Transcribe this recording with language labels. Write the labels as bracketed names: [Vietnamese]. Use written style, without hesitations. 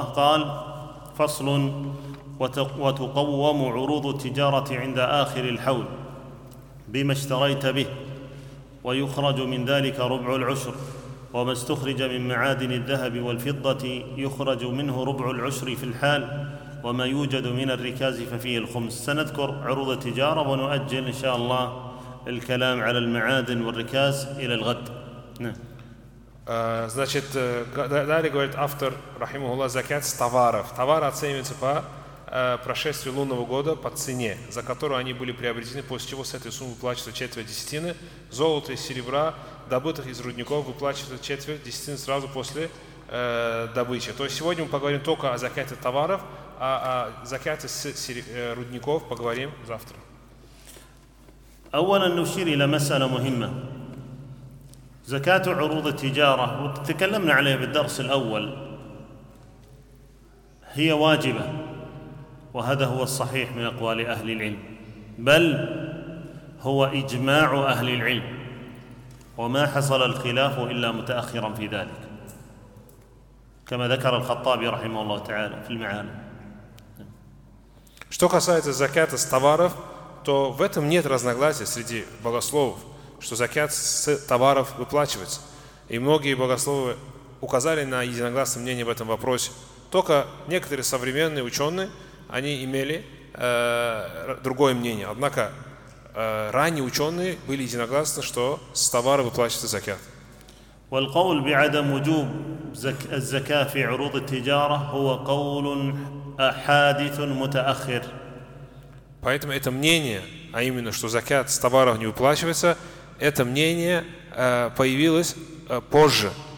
[Arabic] قال فصل: وتقوم عروض التجارة عند آخر الحول بما اشتريت به، ويخرج من ذلك ربع العشر، وما استخرج من معادن الذهب والفضة يخرج منه ربع العشر في الحال، وما يوجد من الركاز ففيه الخمس. سنذكر عروض التجارة ونؤجل إن شاء الله الكلام على المعادن والركاز إلى الغد. [Russian] Значит, далее говорит автор, рахимахуллах, закят с товаров. Товары оцениваются по прошествию лунного года по цене, за которую они были приобретены, после чего с этой суммы выплачивается четверть десятины. Золото и серебра, добытых из рудников, выплачивается четверть десятины сразу после добычи. То есть сегодня мы поговорим только о закяте товаров, а о закяте рудников поговорим завтра. [Arabic] Ауалан нушири ла масала мухимма. زكاة عروض التجارة، وتكلمنا عليها بالدرس الأول، هي واجبة، وهذا هو الصحيح من أقوال أهل العلم، بل هو إجماع أهل العلم، وما حصل الخلاف إلا متأخرا في ذلك، كما ذكر الخطابي رحمه الله تعالى في المعالم. [Russian] Что касается закята с товаров, то в этом нет разногласия среди богословов, что закят с товаров выплачивается. И многие богословы указали на единогласное мнение в этом вопросе. Только некоторые современные ученые, они имели другое мнение. Однако ранние ученые были единогласны, что с товара выплачивается закят. [Arabic] والقول بعدم وجوب الزكاة في عروض التجارة هو قول حادث متأخر. [Russian] Поэтому это мнение, а именно, что закят с товаров не выплачивается, это мнение появилось позже.